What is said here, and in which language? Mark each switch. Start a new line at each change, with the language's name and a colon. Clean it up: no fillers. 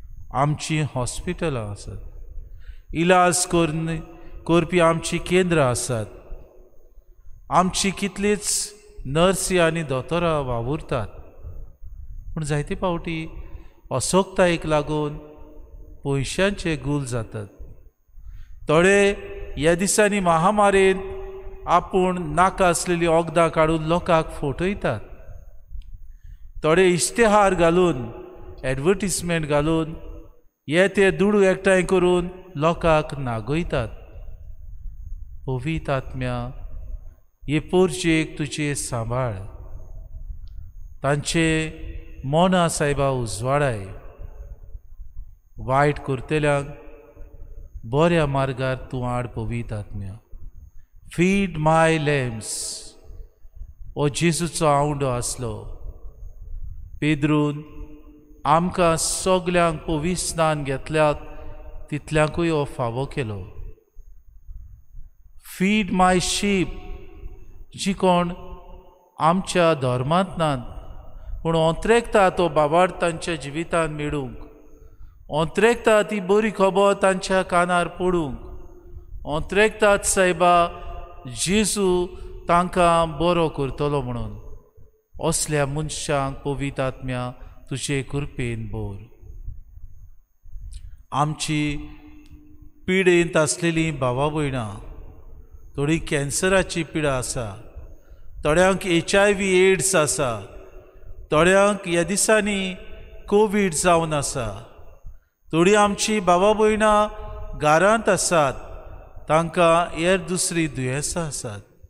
Goan Konkani: आमचीं हॉस्पिटलां आसात, इलाज करपी आमचीं केंद्रां आसात, आमची कितलींच नर्सी आनी दोतोरां वावुरतात, पूण जायते फावटी असोक्तायेक लागून पयशांचे गूल जातात. थोडे ह्या दिसांनी महामारेन आपूण नाका आसलेलीं वखदां काडून लोकांक फटयतात. थोडे इश्तेहार घालून एडवर्टिजमेंट घालून हे ते दुडू एकठांय करून लोकांक नागयतात. पवीत आत्म्या हे पोरचेक तुजे सांबाळ, तांचे मोना सायबा उजवाडाय, वायट करतल्यांक बऱ्या मार्गार तूं आड. पवीत आत्म्या
English: Feed my lambs.
Goan Konkani: हो जेजूचो आवंडो आसलो पेद्रून आमकां सगळ्यांक पवीत स्नान घेतल्यात तितल्यांकूय हो फावो केलो.
English: feed my sheep
Goan Konkani: जी कोण आमच्या धर्मांत नात पूण अंत्रेकता तो बाबार्थ तांच्या जिवितांत मेळूंक, अंत्रेकता ती बरी खबर तांच्या कानार पडूंक, अंत्रेकतात सायबा जेजू तांकां बरो करतलो म्हणून असल्या मनशांक पवीत आत्म्या तुजे कृपेन भर. आमची पिडेंत आसलेलीं भावा भयणां, थोडी कॅन्सराची पिडा आसा, थोड्यांक एच आय व्ही एड्स आसा, थोड्यांक ह्या दिसांनी कोवीड जावन आसा, थोडीं आमची भावा भयणां घरांत आसात, तांकां हेर दुसरी दुयेंसां आसात.